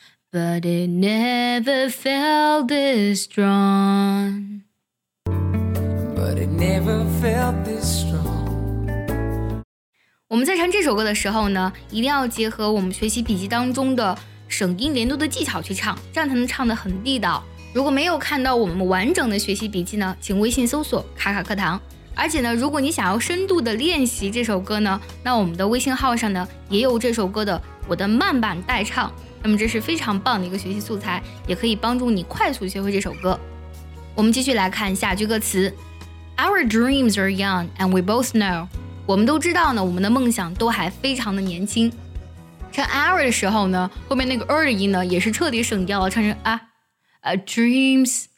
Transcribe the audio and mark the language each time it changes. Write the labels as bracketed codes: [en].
[en] But it never felt this strong But it never felt this strong [zh] 我们在唱这首歌的时候呢一定要结合我们学习笔记当中的省音连读的技巧去唱这样才能唱得很地道如果没有看到我们完整的学习笔记呢请微信搜索卡卡课堂而且呢如果你想要深度的练习这首歌呢那我们的微信号上呢也有这首歌的我的慢版代唱那么这是非常棒的一个学习素材也可以帮助你快速学会这首歌我们继续来看下句歌词 [en] Our dreams are young and we both know [zh] 我们都知道呢，我们的梦想都还非常的年轻。唱 hour 的时候呢，后面那个 er 的音呢，也是彻底省掉了，唱成 dreams